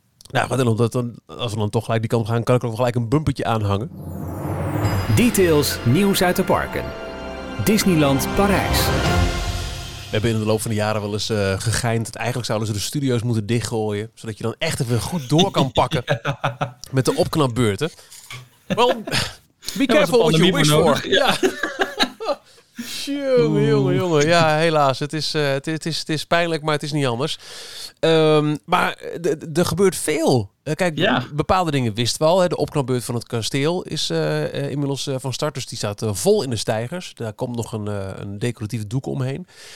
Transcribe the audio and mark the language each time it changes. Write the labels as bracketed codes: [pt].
[nl] Nou, als we dan toch gelijk die kant gaan, kan ik er gelijk een bumpertje aanhangen. Details, nieuws uit de parken. Disneyland Parijs. We hebben in de loop van de jaren wel eens gegeind. Dat eigenlijk zouden ze de studio's moeten dichtgooien. Zodat je dan echt even goed door kan pakken met de opknapbeurten. [en] Well, be careful what you wish for. [nl] Ja. Jongen. Ja, helaas. Het is pijnlijk, maar het is niet anders. Maar er gebeurt veel. Bepaalde dingen wisten we al. Hè. De opknapbeurt van het kasteel is inmiddels van start. Dus die staat vol in de stijgers. Daar komt nog een decoratieve doek omheen.